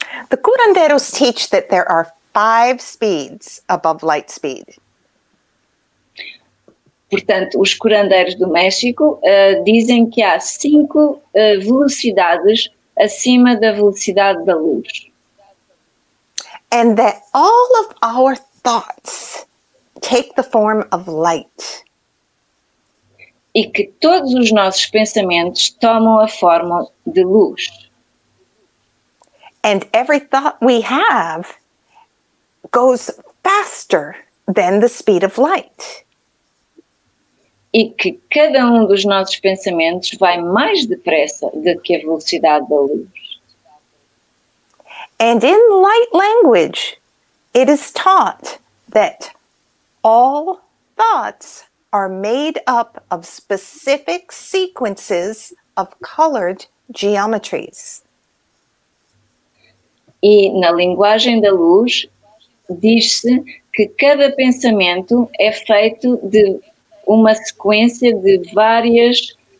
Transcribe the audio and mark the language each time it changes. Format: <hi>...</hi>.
<en>The curanderos teach that there are 5 speeds above light speed.</en> <pt>Portanto, os curandeiros do México dizem que há 5 velocidades acima da velocidade da luz.</pt> <en>And that all of our thoughts take the form of light.</en> <pt>E que todos os nossos pensamentos tomam a forma de luz.</pt> <en>And every thought we have goes faster than the speed of light.</en> <pt>E que cada um dos nossos pensamentos vai mais depressa do que a velocidade da luz.</pt> <en>And in light language, it is taught that all thoughts are made up of specific sequences of colored geometries.</en> <pt>E na linguagem da luz, diz-se que cada pensamento é feito de uma sequência de várias</pt>